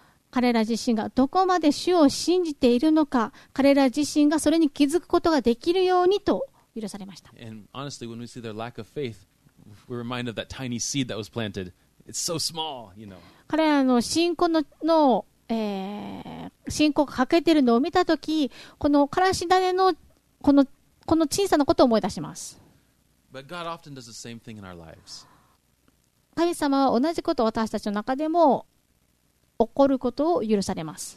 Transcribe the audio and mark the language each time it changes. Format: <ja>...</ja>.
<ja>彼ら自身がどこまで主を信じているのか、彼ら自身がそれに気づくことができるようにと許されました。</ja> <en>Honestly, when we see their lack of faith, we're reminded of that tiny seed that was planted. It's so small, you know.</en> <ja>彼らの信仰の、信仰が欠けているのを見たとき、このからし種のこの小さなことを思い出します。</ja> <en>But God often does the same thing in our lives.</en> <ja>神様は同じことを私たちの中でも起こることを許されます。</ja>